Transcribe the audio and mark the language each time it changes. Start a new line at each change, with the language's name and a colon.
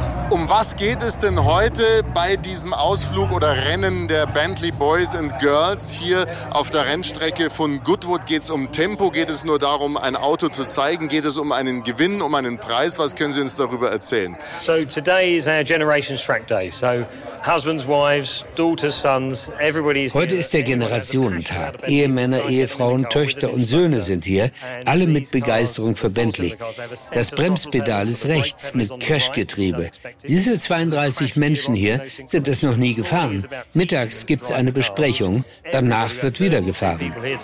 German: Um was geht es denn heute bei diesem Ausflug oder Rennen der Bentley Boys and Girls hier auf der Rennstrecke von Goodwood? Geht es um Tempo? Geht es nur darum, ein Auto zu zeigen? Geht es um einen Gewinn, um einen Preis? Was können Sie uns darüber erzählen?
English: So today is our Generations Track Day. So husbands, wives, daughters, sons, everybody is.
German: Heute ist der Generationentag. Ehemänner, Ehefrauen, Töchter und Söhne sind hier, alle mit Begeisterung für Bentley. Das Bremspedal ist rechts mit Crashgetriebe. Diese 32 Menschen hier sind es noch nie gefahren. Mittags gibt es eine Besprechung, danach wird wieder gefahren.